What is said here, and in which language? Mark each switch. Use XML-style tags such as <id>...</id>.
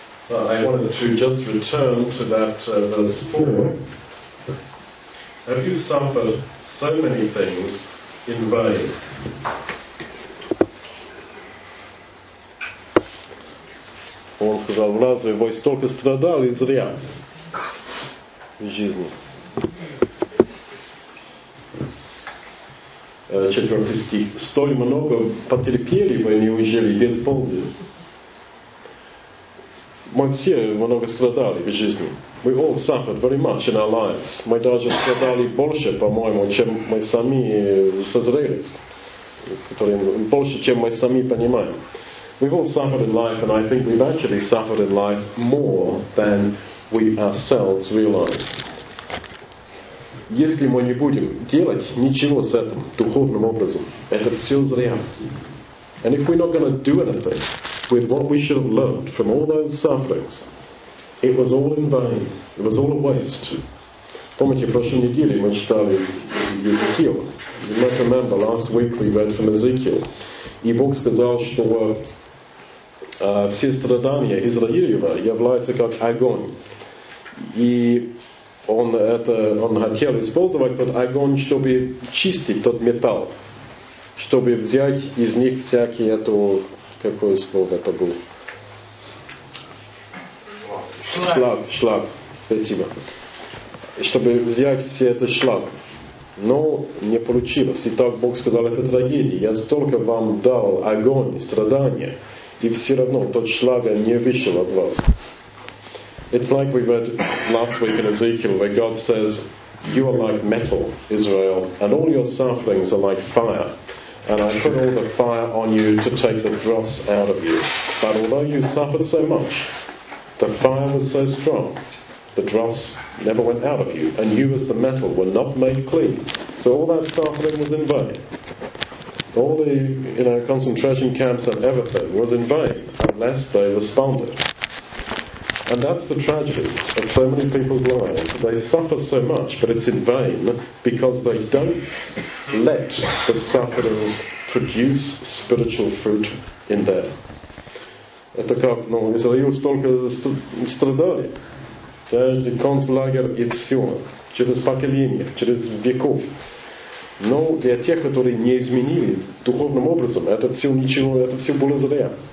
<en>I wanted to just return to that verse 4. Have you suffered so many things in vain?</en> <ru>Он сказал, разве вы столько страдали зря в жизни? Четвертый стих. Столь много потерпели вы, неужели без пользы? Мы все много страдали в жизни.</ru> <en>We all suffered very much in our lives.</en> <ru>Мы даже страдали больше, по-моему, чем мы сами созрели. Больше, чем мы сами понимаем.</ru> <en>We've all suffered in life, and I think we've actually suffered in life more than we ourselves realize.</en> <ru>Если мы не будем делать ничего с этим духовным образом, это все зря.</ru> <en>And if we're not going to do anything with what we should have learned from all those sufferings, it was all in vain. It was all a waste.</en> <ru>Помните, в прошлой неделе мы читали Езекиил.</ru> <en>You might remember, last week we read from Ezekiel.</en> <ru>И Бог сказал, что все страдания Израилева являются как огонь. И он это, он хотел использовать тот огонь, чтобы чистить тот металл, чтобы взять из них всякие эту, какое слово это было? Шлак. Шлак, спасибо. Чтобы взять все это шлак. Но не получилось. И так Бог сказал, это трагедия. Я столько вам дал огонь, страдания, и все равно тот шлак не вышел от вас.</ru> <en>It's like we read last week in Ezekiel, where God says, you are like metal, Israel, and all your sufferings are like fire. And I put all the fire on you to take the dross out of you. But although you suffered so much, the fire was so strong, the dross never went out of you, and you as the metal were not made clean. So all that suffering was in vain. All the, you know, concentration camps and everything was in vain, unless they responded. And that's the tragedy of so many people's lives. They suffer so much, but it's in vain, because they don't let the sufferings produce spiritual fruit in them.</en> <ru>Это как, ну, Израил столько страдали. Каждый концлагерь и все. Через поколения, через веков. Но для тех, которые не изменили духовным образом, это все ничего, это все было зря.</ru>